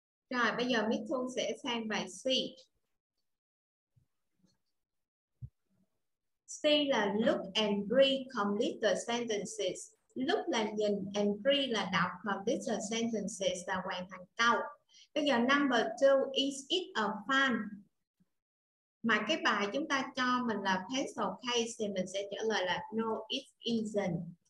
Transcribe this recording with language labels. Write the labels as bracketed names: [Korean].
[Vietnamese] Rồi bây giờ Miss Thu sẽ sang bài C. C là [English] look and read complete the sentences. [Vietnamese] Look là nhìn and read là đọc, [English] complete the sentences [Vietnamese] là hoàn thành câu. Bây giờ [English] number 2 is it a fan? [Vietnamese] Mà cái bài chúng ta cho mình là pencil case thì mình sẽ trả lời là [English] no it isn't.